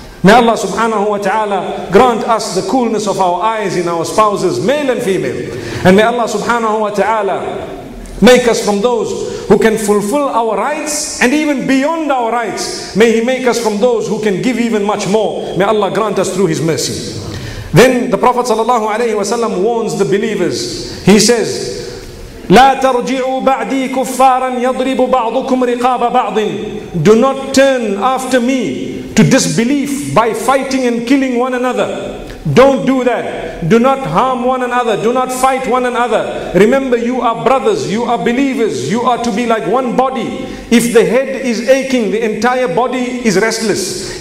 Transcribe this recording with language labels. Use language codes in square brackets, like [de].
[en] May Allah subhanahu wa ta'ala grant us the coolness of our eyes in our spouses, male and female. And may Allah subhanahu wa ta'ala make us from those who can fulfill our rights and even beyond our rights. May He make us from those who can give even much more. May Allah grant us through His mercy. Then the Prophet sallallahu alaihi wasallam warns the believers. He says, [ar] لا ترجعوا بعدي كفارا يضرب بعضكم رقاب بعض. [en] Do not turn after me to disbelief by fighting and killing one another. Don't do that. Do not harm one another. Do not fight one another. Remember, you are brothers. You are believers. You are to be like one body. If the head is aching, the entire body is restless.